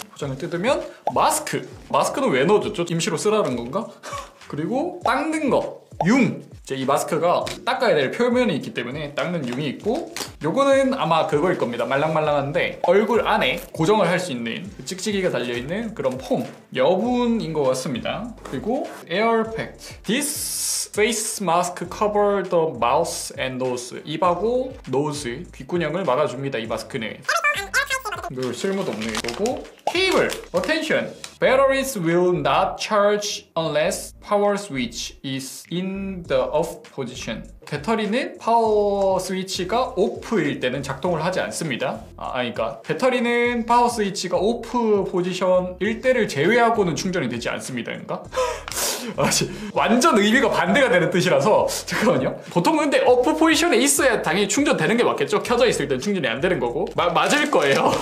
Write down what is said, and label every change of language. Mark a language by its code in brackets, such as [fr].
[ko] 포장을 뜯으면 마스크! 마스크는 왜 넣어줬죠? 임시로 쓰라는 건가? 그리고 닦는 거! 융! 이제 이 마스크가 닦아야 될 표면이 있기 때문에 닦는 융이 있고 요거는 아마 그거일 겁니다. 말랑말랑한데 얼굴 안에 고정을 할 수 있는 찍찍이가 달려있는 그런 폼 여분인 것 같습니다. 그리고 에어팩 [en] This face mask cover the mouth and nose [ko] 입하고 노즈 귓구녕을 막아줍니다. 이 마스크는 이거 쓸모도 없네. 그리고 케이블 [en] Attention Batteries will not charge unless power switch is in the off position. [ko] 배터리는 파워 스위치가 오프일 때는 작동을 하지 않습니다. 그러니까 배터리는 파워 스위치가 오프 포지션일 때를 제외하고는 충전이 되지 않습니다. 그러니까 완전 의미가 반대가 되는 뜻이라서 잠깐만요. 보통 근데 오프 포지션에 있어야 당연히 충전되는 게 맞겠죠? 켜져 있을 때는 충전이 안 되는 거고 맞을 거예요.